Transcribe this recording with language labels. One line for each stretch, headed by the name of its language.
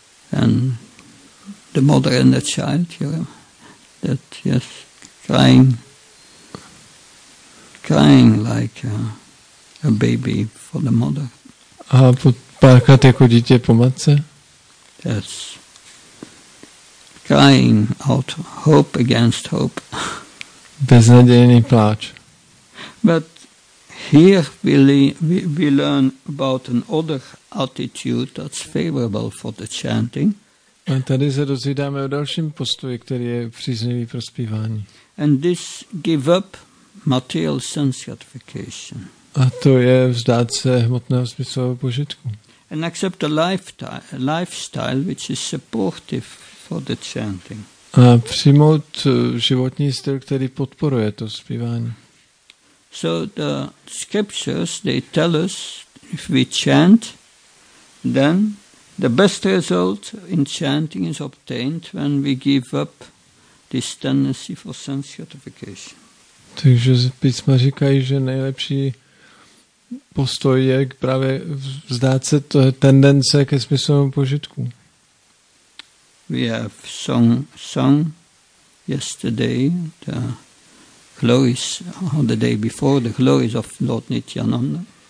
English: And the mother and the child, you know, that yes, crying like a baby for the mother.
Czech: A plakat jako dítě po matce?
English: Yes. Crying out hope against hope.
Czech: Beznadějný pláč.
English: But here we learn about an other attitude that's favorable for the chanting.
Czech: A tady se dozvídáme o dalším postoji, který je příznivý pro zpívání.
English: And this give up material sense gratification.
Czech: A to je vzdát se hmotného smyslového požitku.
English: And accept a lifestyle which is supportive for the chanting.
Czech: A přijmout životní styl, který podporuje to zpívání.
English: So the scriptures, they tell us if we chant, then the best result in chanting is obtained when we give up this tendency for sense gratification.
Czech: Takže písma říkají, že nejlepší postoj je právě vzdát se té tendence ke smyslovému požitku.
English: We have sung yesterday the glories on the day before the glories of Lord Nityananda.